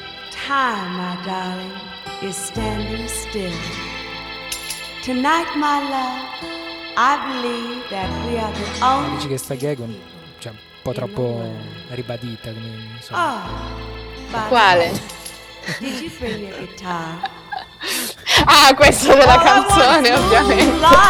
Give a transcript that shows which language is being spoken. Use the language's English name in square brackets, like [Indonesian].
[English] Time, my darling, is standing still. Tonight, my love, I believe that we are the only. [Italian] Dici che sta gag un, cioè, un po' troppo ribadita, quindi, insomma. Oh, ma quale? [English] Did you bring your guitar? [Italian] Ah, questo della canzone, ovviamente.